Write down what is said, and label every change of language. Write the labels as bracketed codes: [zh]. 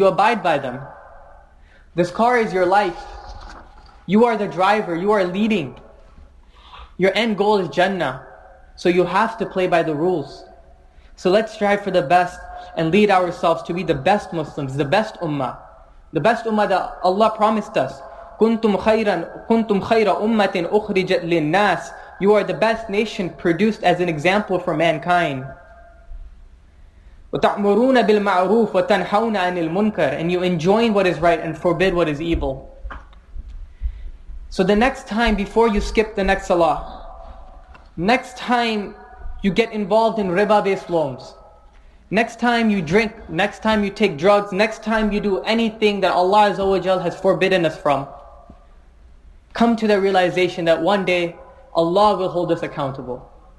[en] You abide by them. This car is your life. You are the driver. You are leading. Your end goal is Jannah. So you have to play by the rules. So let's strive for the best and lead ourselves to be the best Muslims, the best ummah. The best ummah that Allah promised us. [ar] كنتم خيرا أمة أخرجت للناس. [en] You are the best nation produced as an example for mankind. [ar] وتأمرون بالمعروف وتنهون عن المنكر. [en] And you enjoin what is right and forbid what is evil. So the next time, before you skip the next salah, next time you get involved in riba based loans, next time you drink, next time you take drugs, next time you do anything that Allah Azza wa Jal has forbidden us from, come to the realization that one day Allah will hold us accountable.